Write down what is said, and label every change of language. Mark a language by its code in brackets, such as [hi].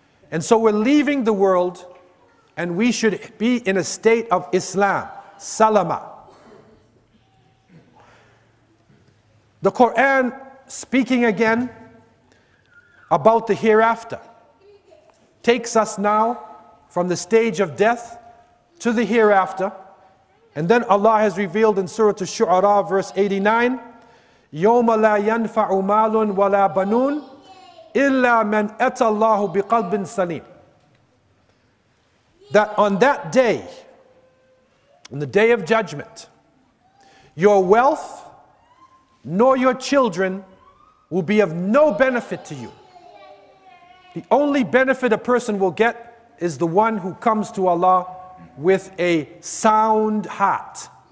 [en] And so we're leaving the world and we should be in a state of Islam, salama. The Quran speaking again about the hereafter takes us now from the stage of death to the hereafter. And then Allah has revealed in Surah Ash-Shu'ara, verse 89, [ar] يَوْمَ لَا يَنْفَعُ مَالٌ وَلَا بَنُونَ إِلَّا مَنْ أَتَى اللَّهُ بِقَلْبٍ سَلِيمٍ. [en] That on that day, on the day of judgment, your wealth nor your children will be of no benefit to you. The only benefit a person will get is the one who comes to Allah with a sound heart.